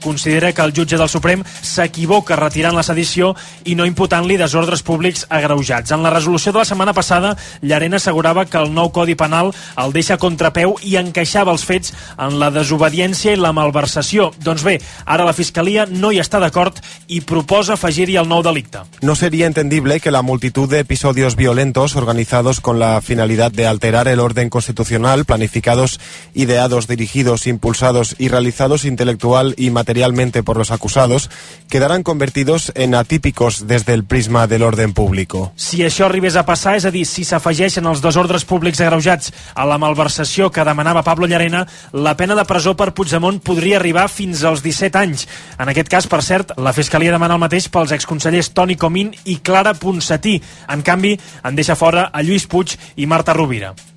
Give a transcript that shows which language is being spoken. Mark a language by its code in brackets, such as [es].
[ca] Considera que el jutge del Suprem s'equivoca retirant la sedició i no imputant-li desordres públics agreujats. En la resolució de la setmana passada, Llarena assegurava que el nou Codi Penal el deixa a contrapeu i encaixava els fets en la desobediència i la malversació. Doncs bé, ara la Fiscalia no hi està d'acord i proposa afegir-hi el nou delicte. [es] No seria entendible que la multitud d'episodios violentos organizados con la finalidad de alterar el orden constitucional planificados y ideados, dirigidos, impulsados y realizados intelectual y materialmente por los acusados, quedarán convertidos en atípicos desde el prisma del orden público. [ca] Si això arribés a passar, és a dir, si s'afegeixen els desordres públics agreujats a la malversació que demanava Pablo Llarena, la pena de presó per Puigdemont podria arribar fins als 17 anys. En aquest cas, per cert, la Fiscalia demana el mateix pels exconsellers Toni Comín i Clara Ponsatí. En canvi, en deixa fora a Lluís Puig i Marta Rovira.